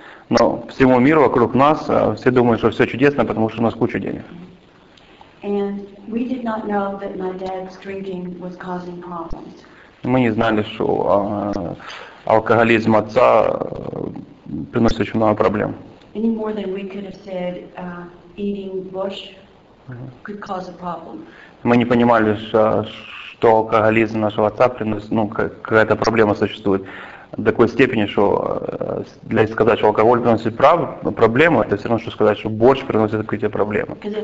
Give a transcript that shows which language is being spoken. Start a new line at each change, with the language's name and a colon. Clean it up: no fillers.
Russian: Но всему миру вокруг нас все думают, что все чудесно, потому что у нас куча денег.
English: And we did not know that my dad's drinking was causing problems.
Russian: Мы не знали, что алкоголизм отца приносит очень много проблем.
English: Any more than we could have said eating bush could cause a problem.
Russian: Мы не понимали, что алкоголизм нашего отца приносит, какая-то проблема существует. До такой степени, что для сказать, что алкоголь приносит проблему, это все равно, что сказать, что борщ приносит какие-то проблемы.